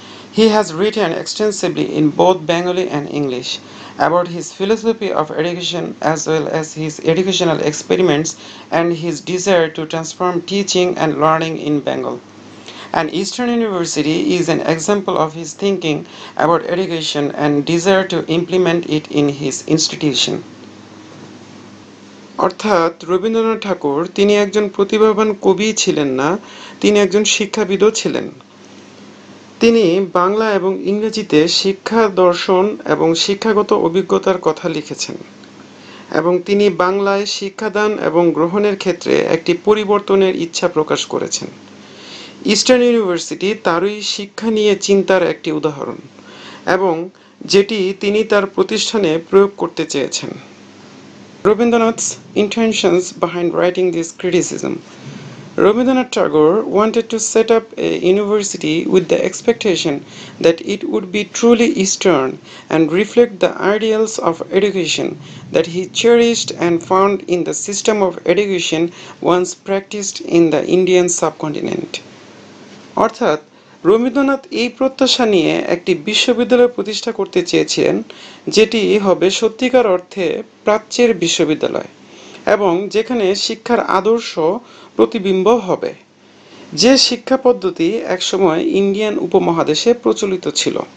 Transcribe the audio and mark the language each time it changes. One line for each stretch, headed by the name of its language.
English: He has written extensively in both Bengali and English about his philosophy of education as well as his educational experiments and his desire to transform teaching and learning in Bengal. An Eastern University is an example of his thinking about education and desire to implement it in his institution.
Bangla: অর্থাৎ রবীন্দ্রনাথ ঠাকুর তিনি একজন প্রতিভাবান কবি ছিলেন না, তিনি একজন শিক্ষাবিদও ছিলেন। তিনি বাংলা এবং ইংরেজিতে শিক্ষা দর্শন এবং শিক্ষাগত অভিজ্ঞতার কথা লিখেছেন এবং তিনি বাংলায় শিক্ষাদান এবং গ্রহণের ক্ষেত্রে একটি পরিবর্তনের ইচ্ছা প্রকাশ করেছেন। ইস্টার্ন ইউনিভার্সিটি তারই শিক্ষা নিয়ে চিন্তার একটি উদাহরণ এবং যেটি তিনি তার প্রতিষ্ঠানে প্রয়োগ করতে চেয়েছেন।
English: Rabindranath's intentions behind writing this criticism. Rabindranath Tagore wanted to set up a university with the expectation that it would be truly Eastern and reflect the ideals of education that he cherished and found in the system of education once practiced in the Indian subcontinent.
Bangla: অর্থাৎ রবীন্দ্রনাথ এই প্রত্যাশা নিয়ে একটি বিশ্ববিদ্যালয় প্রতিষ্ঠা করতে চেয়েছিলেন যেটি হবে সত্যিকার অর্থে প্রাচ্যের বিশ্ববিদ্যালয় এবং যেখানে শিক্ষার আদর্শ প্রতিবিম্ব হবে, যে শিক্ষা পদ্ধতি একসময় ইন্ডিয়ান উপমহাদেশে প্রচলিত ছিল।